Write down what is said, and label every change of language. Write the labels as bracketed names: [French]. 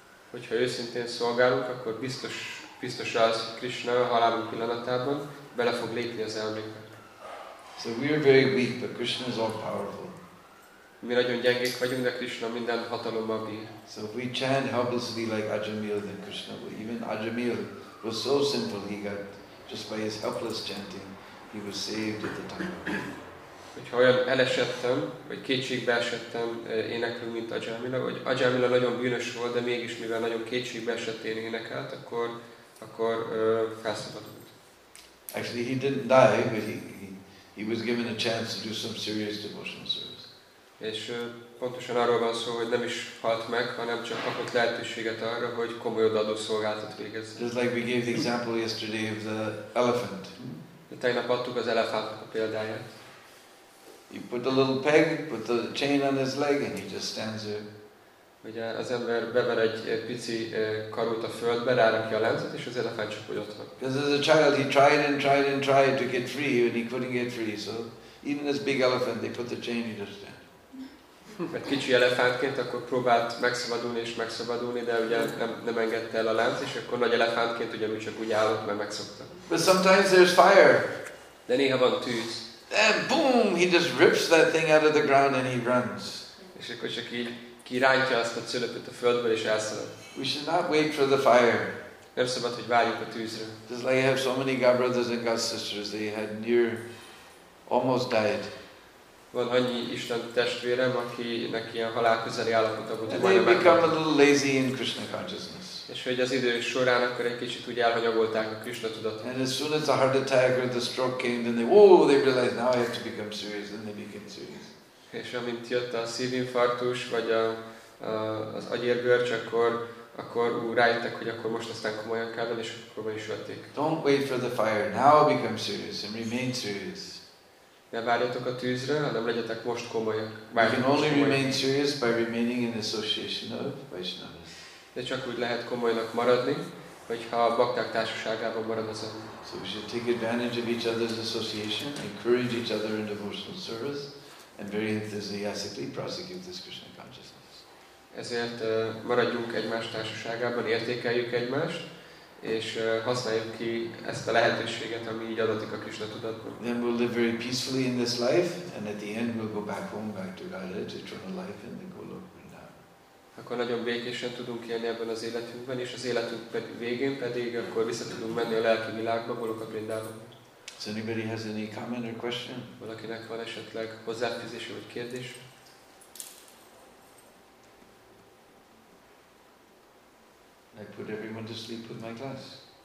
[Hungarian] Hogyha őszintén szolgálunk, akkor biztos az, hogy Krishna halálunk pillanatában bele fog lépni az elménkbe. [English] So we are very weak, but Krishna is all powerful. [Hungarian] Mi nagyon gyengék vagyunk, de Krishna minden hatalommal bír. [English] So if we chant helplessly like Ajamil, then Krishna will. Even Ajamil was so sinful, he got, just by his helpless chanting, he was saved at the time of death. [Hungarian] Hogyha olyan elesettem, vagy kétségbe esettem énekelni, mint Ajamila, vagy Ajamila nagyon bűnös volt, de mégis mivel nagyon kétségbe esett én énekelt, akkor felszabadult. [English] Actually he didn't die, but he was given a chance to do some serious devotional service. [Hungarian] És pontosan arról van szó, hogy nem is halt meg, hanem csak kapott lehetőséget arra, hogy komoly odaadó szolgálatot végezz. [English] Just like we gave the example yesterday of the elephant. [Hungarian] De tegnap adtuk az elefántnak a példáját. [English] You put a little peg, put the chain on his leg, and he just stands there. [Hungarian] Ugye az ember bever egy pici karót a földbe, rárakja a láncot, és az elefánt csak úgy ott van. [English] Because as a child, he tried to get free, and he couldn't get free. So even this big elephant, they put the chain, he just stands. [Hungarian] Mert kicsi elefántként akkor próbált megszabadulni, de ugye nem engedte el a lánc, és akkor nagy elefántként ugye mi csak úgy állott, mert megszokta. [English] But sometimes there's fire. [Hungarian] De néha van tűz. [English] And boom, he just rips that thing out of the ground and he runs. [Hungarian] És akkor csak így kirántja azt a cölöpöt a földből és elszalad. [English] We should not wait for the fire. [Hungarian] Nem szabad, hogy várjuk a tűzre. [English] Just like I have so many God brothers and God sisters, they had near, almost died. [Hungarian] Van annyi Isten testvérem, akinek ilyen halál közeli állapota volt. [English] And they become a little lazy in Krishna consciousness. [Hungarian] És hogy az idő során akkor egy kicsit úgy elhanyagolták a Krishna tudatot. [English] And as soon as a heart attack or the stroke came, then they realized now I have to become serious, then they became serious. [Hungarian] És amint jött a szívinfarktus vagy az agyérgörcs, akkor rájöttek, hogy akkor most aztán komolyan kell, és akkor be is vették. [English] Don't wait for the fire, now become serious and remain serious. [Hungarian] Ne várjatok a tűzre, hanem legyetek most komolyak. [English] You can only remain serious by remaining in association of Vaishnavas. [Hungarian] De csak úgy lehet komolynak maradni, hogyha a bakták társaságában marad az ember. [English] So we should take advantage of each other's association, encourage each other in devotional service, and very enthusiastically prosecute this Krishna consciousness. [Hungarian] Ezért maradjunk egymás társaságában, értékeljük egymást, és használjuk ki ezt a lehetőséget, ami így adatik a Krishna tudatban. [English] Then we'll live very peacefully in this life, and at the end we'll go back home, back to Godhead, to eternal life in the Golok. [Hungarian] Akkor nagyon békésen tudunk élni ebben az életünkben, és az életünk végén pedig akkor vissza tudunk menni a lelki világba, Goloka Vrindavanba. [English] Does anybody has any comment or question? [Hungarian] Valakinek van esetleg hozzáfűzése vagy kérdés? [English] I put everyone to sleep with my glass.